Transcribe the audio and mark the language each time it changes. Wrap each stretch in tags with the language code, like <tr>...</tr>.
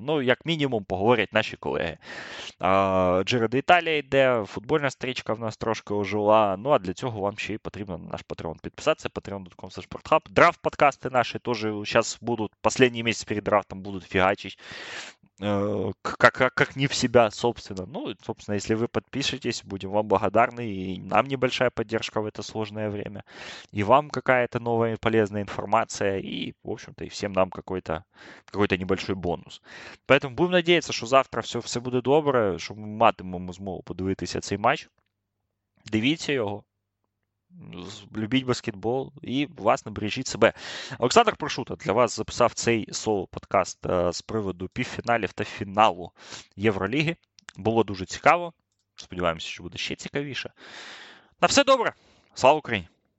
<uk>Ну, як мінімум, поговорять наші колеги. Джеред Італія йде, футбольна стрічка в нас трошки ожила. Ну, а для цього вам ще й потрібно на наш Патреон підписатися. patreon.com/sporthub. Драфт подкасти наші теж зараз будуть, останній місяць перед драфтом будуть фігачить.</uk> <ru>Как не в себя, собственно. Ну, собственно, если вы подпишетесь, будем вам благодарны. И нам небольшая поддержка в это сложное время. И вам какая-то новая полезная информация. И, в общем-то, и всем нам какой-то небольшой бонус. Поэтому будем надеяться, что завтра все будет доброе, что мы</ru> <uk>матимемо змогу подивитися цей матч. Дивіться его. Любіть баскетбол і, власне, бережіть себе. Олександр Прошута для вас записав цей соло-подкаст з приводу півфіналів та фіналу Євроліги. Було дуже цікаво. Сподіваємося, що буде ще цікавіше. На все добре! Слава Україні!</uk>